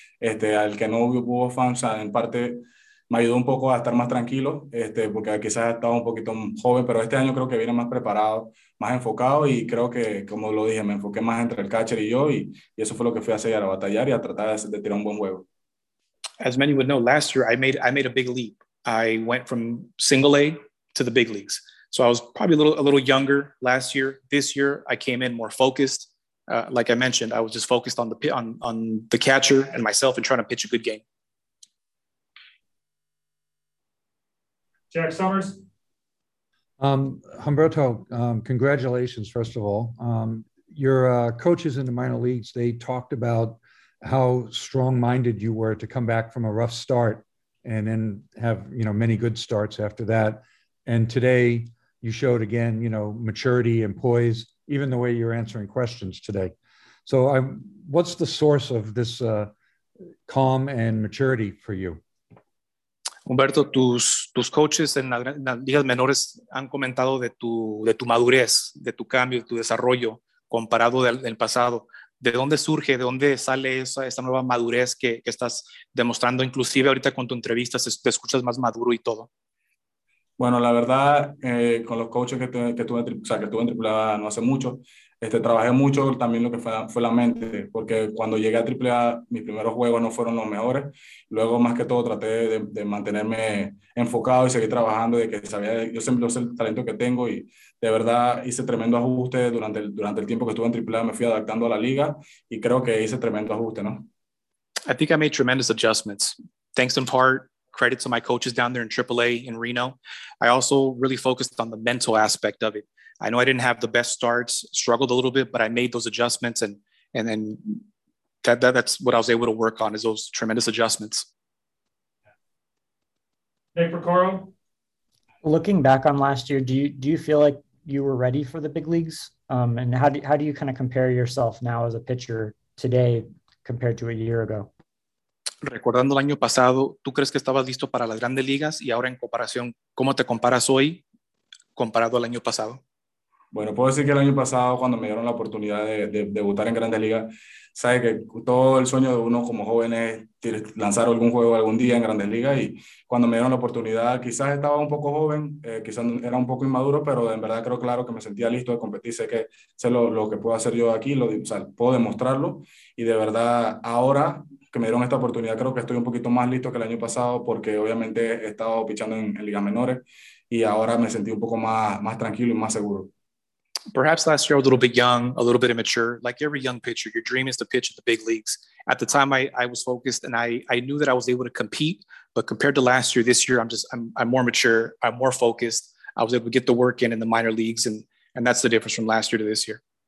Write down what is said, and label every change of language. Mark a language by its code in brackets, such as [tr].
[es] Al que no hubo fans, o sea, en parte me ayudó un poco a estar más tranquilo, porque quizás estaba un poquito joven, pero este año creo que viene más preparado, más enfocado y creo que, como lo dije, me enfoqué más entre el catcher y yo y eso fue lo que fui a hacer, a batallar y a tratar de tirar un buen juego. [en] As many would know, last year I made a big leap. I went from single A to the big leagues. So I was probably a little younger last year. This year, I came in more focused. Like I mentioned, I was just focused on the catcher and myself and trying to pitch a good game. Jack Summers. Humberto, congratulations, first of all. Your coaches in the minor leagues, they talked about how strong-minded you were to come back from a rough start and then have, you know, many good starts after that. And today, you showed again, you know, maturity and poise, even the way you're answering questions today. So what's the source of this calm and maturity for you? [es] Humberto, tus coaches en las ligas menores han comentado de tu madurez, de tu cambio, de tu desarrollo comparado del pasado. ¿De dónde surge, de dónde sale esa nueva madurez que estás demostrando? Inclusive ahorita con tu entrevista te escuchas más maduro y todo. Bueno, la verdad, con los coaches que tuve en AAA no hace mucho, trabajé mucho también lo que fue la mente, porque cuando llegué a AAA, mis primeros juegos no fueron los mejores. Luego, más que todo, traté de mantenerme enfocado y seguir trabajando, de que sabía, yo siempre sé el talento que tengo y de verdad hice tremendo ajuste durante el tiempo que estuve en AAA, me fui adaptando a la liga y creo que hice tremendo ajuste, ¿no? [en] I think I made tremendous adjustments. Thanks in part. Credit to my coaches down there in AAA in Reno. I also really focused on the mental aspect of it. I know I didn't have the best starts, struggled a little bit, but I made those adjustments and then that's what I was able to work on is those tremendous adjustments. Jake Nick Porcaro. Looking back on last year, do you feel like you were ready for the big leagues? And how do you kind of compare yourself now as a pitcher today compared to a year ago? [es] Recordando el año pasado, ¿tú crees que estabas listo para las grandes ligas? Y ahora en comparación, ¿cómo te comparas hoy comparado al año pasado? Bueno, puedo decir que el año pasado, cuando me dieron la oportunidad de debutar en grandes ligas, sabes que todo el sueño de uno como joven es lanzar algún juego algún día en grandes ligas. Y cuando me dieron la oportunidad, quizás estaba un poco joven, quizás era un poco inmaduro, pero en verdad creo claro que me sentía listo de competir. Sé que sé lo que puedo hacer yo aquí, puedo demostrarlo. Y de verdad, ahora que me dieron esta oportunidad, creo que estoy un poquito más listo que el año pasado, porque obviamente he estado pichando en ligas menores y ahora me sentí un poco más tranquilo y más seguro. [en] Perhaps last year a little bit young, a little bit immature. Like every young pitcher, your dream is to pitch at the big leagues. At the time, I was focused and I knew that I was able to compete. But compared to last year, this year, I'm more mature. I'm more focused. I was able to get the work in the minor leagues. And that's the difference from last year to this year.